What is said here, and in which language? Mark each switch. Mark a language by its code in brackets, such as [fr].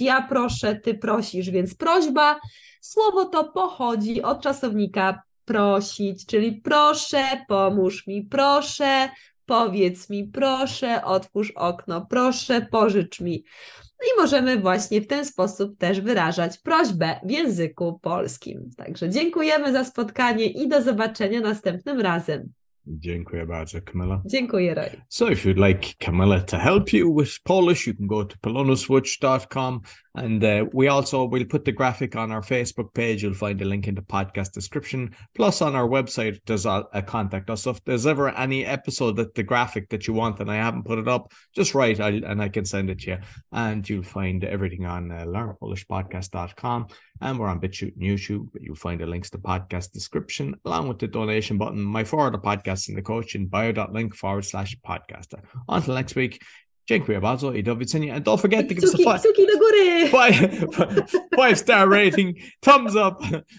[pl] Ja proszę, ty prosisz, więc prośba, słowo to pochodzi od czasownika prosić, czyli proszę, pomóż mi, proszę, powiedz mi, proszę, otwórz okno, proszę, pożycz mi. No i możemy właśnie w ten sposób też wyrażać prośbę w języku polskim. Także dziękujemy za spotkanie i do zobaczenia następnym razem. Dziękuję bardzo, Kamila. Dziękuję, Roy. [en] So if you'd like Kamila to help you with Polish, you can go to polonuswitch.com and we also will put the graphic on our Facebook page. You'll find a link in the podcast description. Plus on our website, there's a contact us. So if there's ever any episode that the graphic that you want and I haven't put it up, just write and I can send it to you. And you'll find everything on learnpolishpodcast.com. And we're on BitChute and YouTube, but you'll find the links to podcast description along with the donation button, my forward podcast and the coaching bio.link/podcaster. Until next week, [pl] dziękuję bardzo i do widzenia. [en] And don't forget to give us a five star rating, thumbs up.